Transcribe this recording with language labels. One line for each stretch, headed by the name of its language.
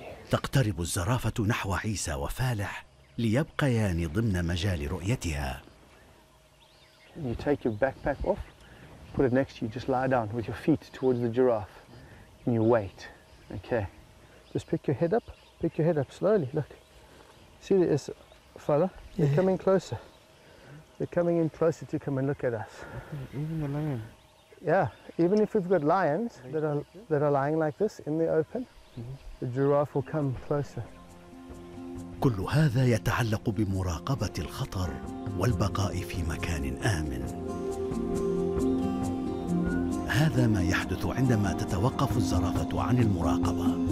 Arabic: تقترب الزرافة نحو عيسى وفالح ليبقيان ضمن مجال رؤيتها.
English: You take your backpack off, put it next to you, just lie down with your feet towards the giraffe, and you wait. Okay. Just pick your head up slowly. Look. See this fella? They're coming closer. They're coming in closer to come and look at us. Even the lion. Yeah. Even if we've got lions that are lying like this in the open. The giraffe will come closer.
Arabic: كل هذا يتعلق بمراقبة الخطر والبقاء في مكان آمن. هذا ما يحدث عندما تتوقف الزرافة عن المراقبة.